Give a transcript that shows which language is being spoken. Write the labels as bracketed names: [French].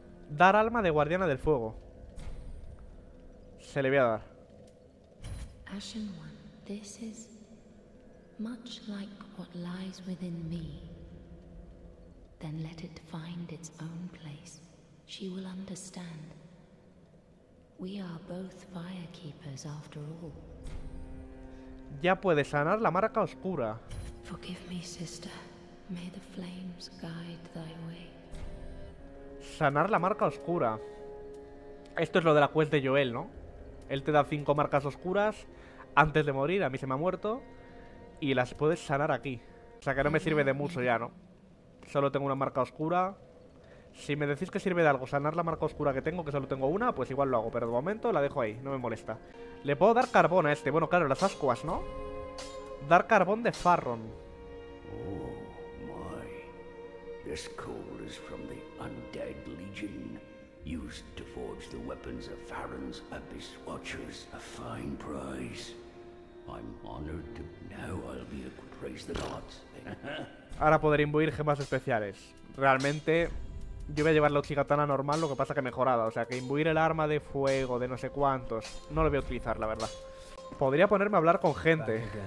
[Spanish] Dar alma de guardiana del fuego. Se le voy a dar. [English] Ashen One, this is much like what lies within me. Then let it find its own place. She will understand. We are both fire keepers after all. [Spanish] Ya puede sanar la marca oscura. [English] Forgive me, sister. May the flames guide thy way. [Spanish] Sanar la marca oscura. Esto es lo de la quest de Joel, ¿no? Él te da 5 marcas oscuras antes de morir, a mí se me ha muerto. Y las puedes sanar aquí. O sea que no me sirve de mucho ya, ¿no? Solo tengo una marca oscura. Si me decís que sirve de algo sanar la marca oscura que tengo, que solo tengo una, pues igual lo hago. Pero de momento la dejo ahí, no me molesta. Le puedo dar carbón a este, bueno, claro, las ascuas, ¿no? Dar carbón de Farron. [English] This coal is from the Undead Legion, used to forge the weapons of Farron's Abyss Watchers. A fine prize. I'm honored to know I'll be able to praise the gods. [Spanish] Ahora poder imbuir gemas especiales. Realmente, yo voy a llevar la Oxigatana normal, lo que pasa que mejorada. O sea, que imbuir el arma de fuego de no sé cuántos. No lo voy a utilizar, la verdad. Podría ponerme a hablar con gente.